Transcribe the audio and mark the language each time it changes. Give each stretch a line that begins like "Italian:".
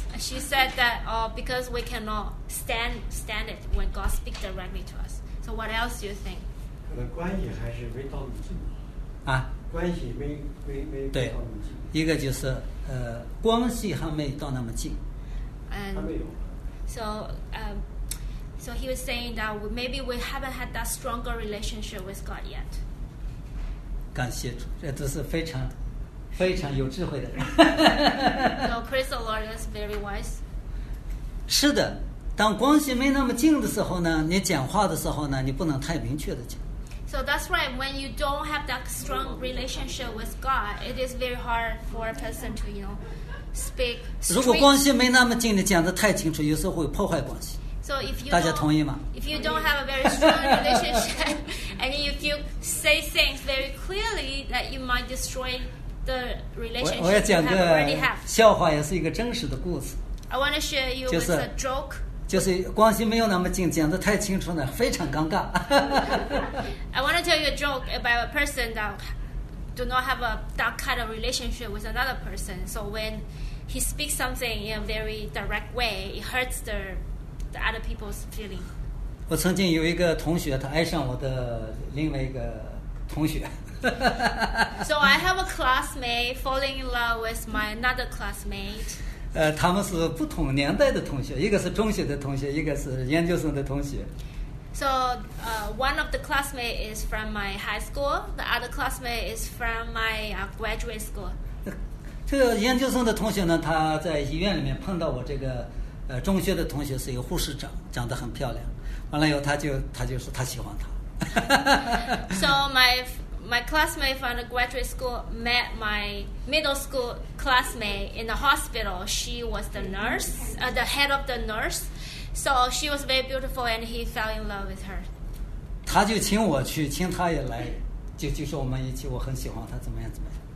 English: She said that because we cannot stand it when God speaks directly to us. So what else do you think?
Chinese: 可能关系还是没到你近啊，关系没到你近。一个就是关系还没到那么近。
English: And
Chinese: 还没有。
English: So he was saying that maybe we haven't had that stronger relationship with God yet.
Chinese: 感谢主，这都是非常非常有智慧的人。
English: So praise the Lord, that's very wise.
Chinese: 是的。当关系没那么近的时候呢，你讲话的时候呢，你不能太明确的讲。
English: So that's right. When you don't have that strong relationship with God, it is very hard for a person to, you know, speak.
Chinese: 如果关系没那么近，你讲的太清楚，有时候会破坏关系。
English: So if you
Chinese: 大家同意吗
English: ？If you don't have a very strong relationship, and if you say things very clearly, that you might destroy the relationship.
Chinese: 我要讲个笑话，也是一个真实的故事。
English: I want to share you with a joke.
Chinese: 就是关系没有那么近，讲得太清楚了，非常尴尬。
English: I want to tell you a joke about a person that do not have a that kind of relationship with another person. So when he speaks something in a very direct way, it hurts the other people's feeling.
Chinese: 我曾经有一个同学，他爱上我的另外一个同学。
English: So I have a classmate falling in love with my another classmate.
Chinese: 他们是不同年代的同学，一个是中学的同学，一个是研究生的同学。
English: So, one of the classmates is from my high school. The other classmate is from my graduate school.
Chinese: 这个研究生的同学呢，他在医院里面碰到我这个中学的同学，是一个护士长，长得很漂亮。完了以后，他就说他喜欢她。
English: So my classmate from the graduate school met my middle school classmate in the hospital. She was the nurse, the head of the nurse. So she was very beautiful, and he fell in love with her.
Chinese: 他就请我去，请他也来，就说我们一起，我很喜欢他，怎么样怎么样。